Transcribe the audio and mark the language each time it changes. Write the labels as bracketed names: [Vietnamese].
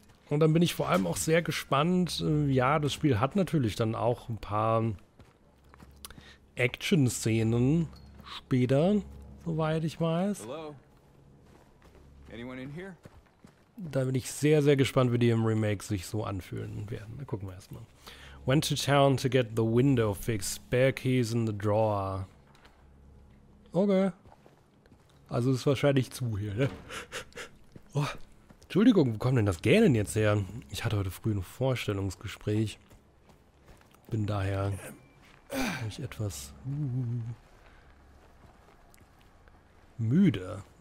[German] Und dann bin ich vor allem auch sehr gespannt. Ja, das Spiel hat natürlich dann auch ein paar Action-Szenen später, soweit ich weiß. [English] Hello. Anyone in here? [German] Da bin ich sehr, sehr gespannt, wie die im Remake sich so anfühlen werden. Da gucken wir erstmal. [English] Went to town to get the window fixed. Spare keys in the drawer. Okay. [German] Also ist wahrscheinlich zu hier, ne? Oh. Entschuldigung, wo kommt denn das Gähnen jetzt her? Ich hatte heute früh ein Vorstellungsgespräch. Bin daher ich etwas müde.